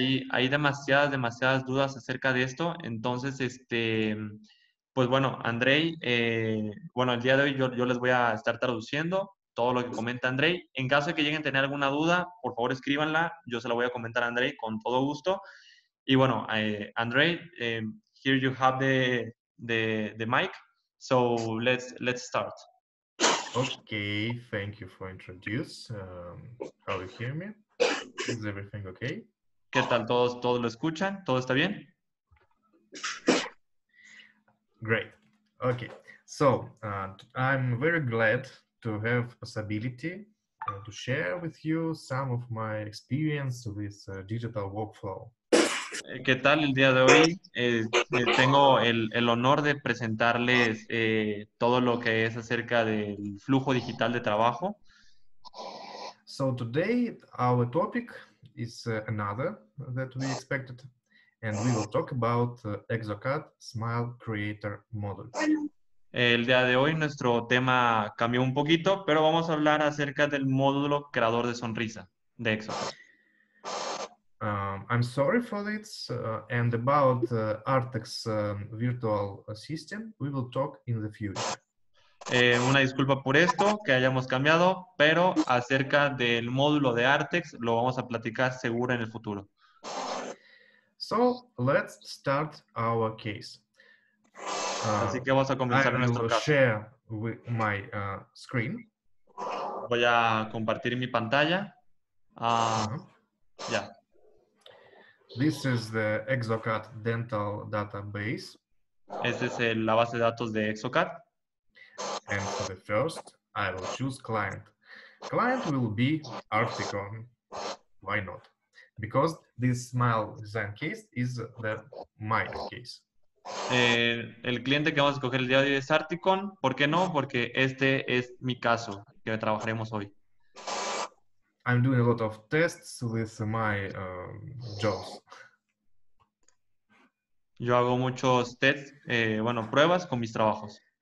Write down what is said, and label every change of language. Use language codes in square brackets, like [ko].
[es] Hay demasiadas, demasiadas dudas acerca de esto. Entonces, pues bueno, Andrei, bueno, el día de hoy yo les voy a estar traduciendo todo lo que comenta Andrei. En caso de que lleguen a tener alguna duda, por favor escríbanla. Yo se la voy a comentar a Andrei con todo gusto. Y bueno, [en] Andrei, here you have the mic. So let's start. Okay, thank you for introduce. How do you hear me? Is everything okay? [es] ¿Qué tal? ¿Todos lo escuchan? ¿Todo está bien? [en] Great. Okay. So I'm very glad to have possibility to share with you some of my experience with digital workflow. [es] ¿Qué tal el día de hoy? Tengo el honor de presentarles todo lo que es acerca del flujo digital de trabajo. [en] So today our topic is another that we expected, and we will talk about Exocad Smile Creator Model. [es] El día de hoy nuestro tema cambió un poquito, pero vamos a hablar acerca del módulo creador de sonrisa de Exo. [en] I'm sorry for this, and about Artex virtual assistant, we will talk in the future. [es] Una disculpa por esto que hayamos cambiado, pero acerca del módulo de Artex lo vamos a platicar seguro en el futuro. [en] So let's start our case. [es] Así que vamos a comenzar nuestro caso. [en] Share with my screen. [es] Voy a compartir mi pantalla. Yeah. [en] This is the Exocad dental database. [es] Esta es la base de datos de Exocad. [en] And for the first, I will choose client. Client will be Articon. Why not? Because this smile design case is the my case. [es] El cliente que vamos a escoger el día de hoy es Articon. ¿Por qué no? Porque este es mi caso que trabajaremos hoy. [en] I'm doing a lot of tests with my jobs. [es] Yo hago muchos tests, bueno, pruebas con mis trabajos.